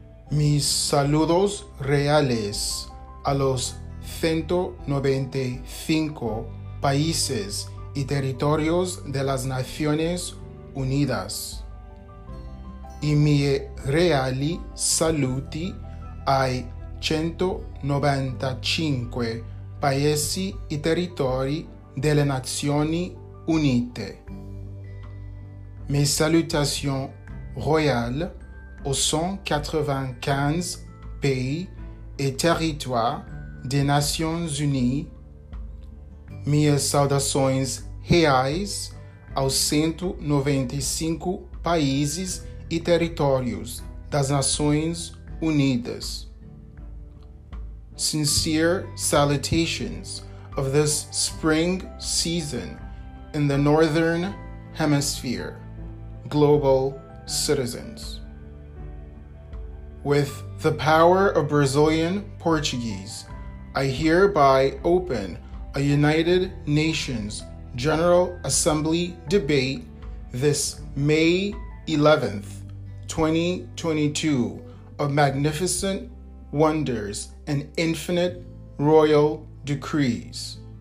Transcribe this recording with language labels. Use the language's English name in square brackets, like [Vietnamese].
[Spanish] Mis saludos reales a los 195 países y territorios de las Naciones Unidas. [Italian] Y mi reali saluti ai 195 paesi e territori delle Nazioni Unite. [French] Mes salutations royales aux 195 pays et territoires des Nations Unies. [Portuguese] Mes saudações reais aos 195 países e territórios das Nações Unidas. [English] Sincere salutations of this spring season in the Northern Hemisphere, global citizens. With the power of Brazilian Portuguese, I hereby open a United Nations General Assembly debate this May 11th, 2022 of magnificent wonders and infinite royal decrees.